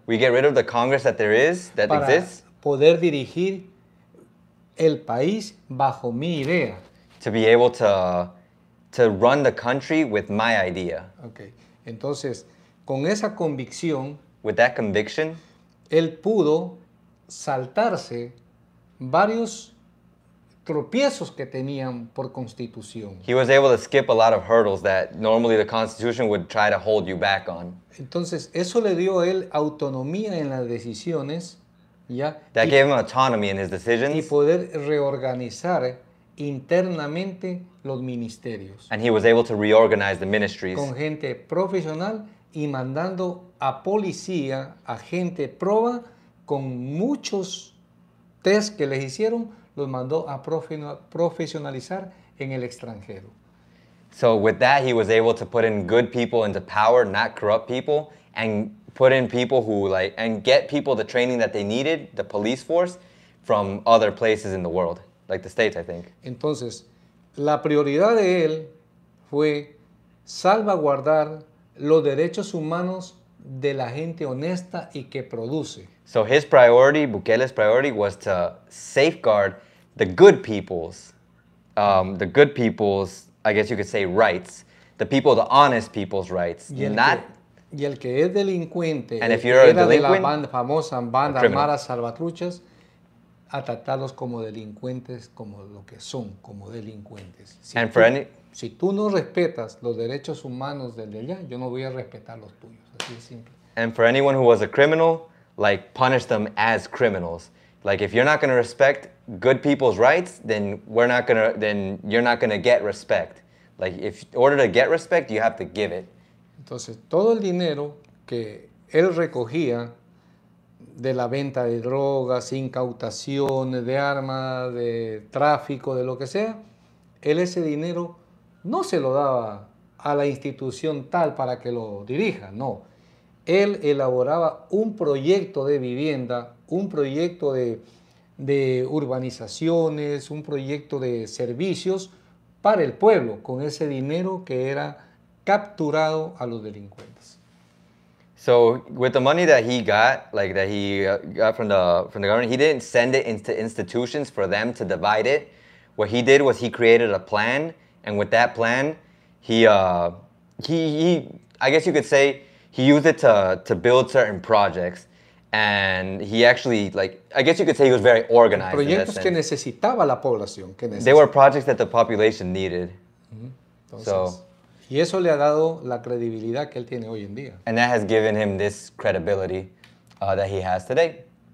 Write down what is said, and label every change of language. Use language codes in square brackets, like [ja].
[en] We get rid of the congress that there is, that [es] para [en] exists. [es] Poder dirigir el país bajo mi idea. [en] To be able to run the country with my idea. [es] Okay. Entonces, con esa convicción. [en] With that conviction. [es] Él pudo saltarse varios tropiezos que tenían por constitución. [en] He was able to skip a lot of hurdles that normally the constitution would try to hold you back on. [es] Entonces, eso le dio a él autonomía en las decisiones, ¿ya? [en] That gave him autonomy in his decisions. [es] Y poder reorganizar internamente los ministerios. [en] And he was able to reorganize the ministries. [es] Con gente profesional y mandando a policía, a gente prueba, con muchos test que les hicieron, los mandó a profesionalizar en el extranjero. [en] So with that, he was able to put in good people into power, not corrupt people, and put in people who like, and get people the training that they needed, the police force, from other places in the world, like the States, I think. [es] Entonces, la prioridad de él fue salvaguardar los derechos humanos de la gente honesta y que produce. [en] So his priority, Bukele's priority, was to safeguard the good people's, the good people's, I guess you could say, rights. The people, the honest people's rights. [es] Y el, [en] not, [es] que, y el que es delincuente, [en] and if you're [es] era [en] a delinquent, [es] de la banda, famosa banda Mara Salvatruchas, a tratarlos como delincuentes, como lo que son, como delincuentes. Si and tú, for any... Si tú no respetas los derechos humanos del de allá, yo no voy a respetar los tuyos. Así de simple. [en] And for anyone who was a criminal, like, punish them as criminals. Like, if you're not going to respect good people's rights, then we're not going to, then you're not going to get respect. Like, if, in order to get respect, you have to give it. [es] Entonces, todo el dinero que él recogía de la venta de drogas, incautaciones de armas, de tráfico, de lo que sea, él ese dinero no se lo daba a la institución tal para que lo dirija, no. Él elaboraba un proyecto de vivienda, un proyecto de urbanizaciones, un proyecto de servicios para el pueblo con ese dinero que era capturado a los delincuentes. [en] So with the money that he got, like that he got from the government, he didn't send it into institutions for them to divide it. What he did was he created a plan, and with that plan, he used it to build certain projects, and he actually, like, I guess you could say he was very organized. [es] Proyectos que necesitaba la población, que necesitaba. [en] They were projects that the population needed. [es] Entonces, so. Y eso le ha dado la credibilidad que él tiene hoy en día. [en] And that has given him this credibility that he has today.